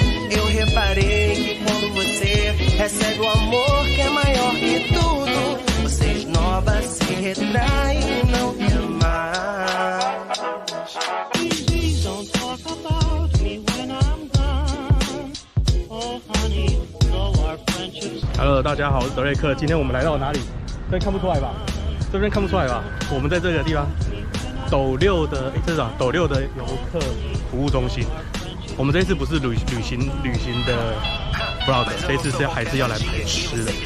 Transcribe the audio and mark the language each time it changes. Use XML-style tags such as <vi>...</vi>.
<pt>Eu reparei que quando você recebe o amor que é maior que tudo, você esnoba, se retrai e não quer mais.</pt> <en>Please don't talk about me when I'm gone. Oh honey, though our friendship's gone.</en> <zh>Hello, 大家好，我是德瑞克，今天我们来到哪里？这边看不出来吧？这边看不出来吧？我们在这个地方。斗六的哎，这是啊，斗六的游客服务中心。我们这次不是旅行的 vlog， 这次是还是要来拍吃的。</zh>